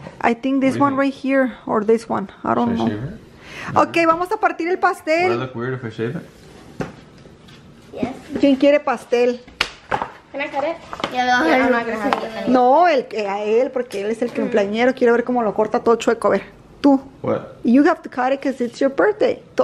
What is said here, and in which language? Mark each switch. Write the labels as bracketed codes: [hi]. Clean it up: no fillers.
[en] I think this one right here or this one. I don't know. Okay, [es] vamos a partir el pastel. [en] Would I look weird if I shave it? Yes. [es] ¿Quién quiere pastel? [en] ¿Can I cut it? [es] Yeah, no, él, porque él es el cumpleañero. Quiero ver cómo lo corta todo chueco. A ver, tú. [en] What? You have to cut it because it's your birthday.